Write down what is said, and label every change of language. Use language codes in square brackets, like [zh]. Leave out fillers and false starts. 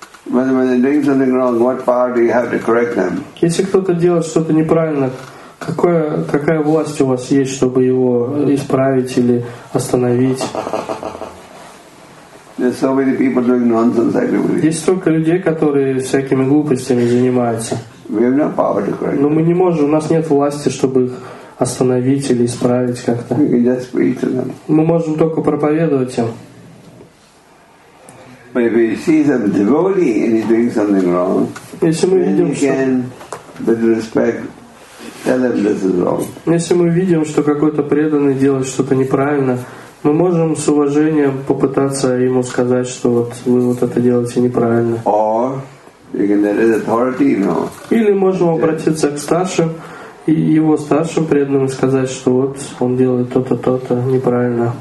[en] When they're doing something wrong, what power do you have to correct them? [ru] Если кто-то делает что-то неправильно, какая власть у вас есть, чтобы его исправить или остановить? [en] There's so many people doing nonsense everywhere. [ru] Есть столько людей, которые всякими глупостями занимаются. [en] We have no power to correct. [ru] Но мы не можем, у нас нет власти, чтобы их остановить или исправить как-то. [en] We can just preach to them. [ru] Мы можем только проповедовать им. [en] But if we see some devotee and he's doing something wrong, [ru] если мы [en] then [ru] видим, [en] we can, with respect, tell him this is wrong. [ru] Если мы видим, что какой-то преданный делает что-то неправильно, мы можем с уважением попытаться ему сказать, что вот вы вот это делаете неправильно. [en] Or you can let his authority know. [ru] Или можем обратиться к старшим и его старшим преданным сказать, что вот он делает то-то, то-то неправильно.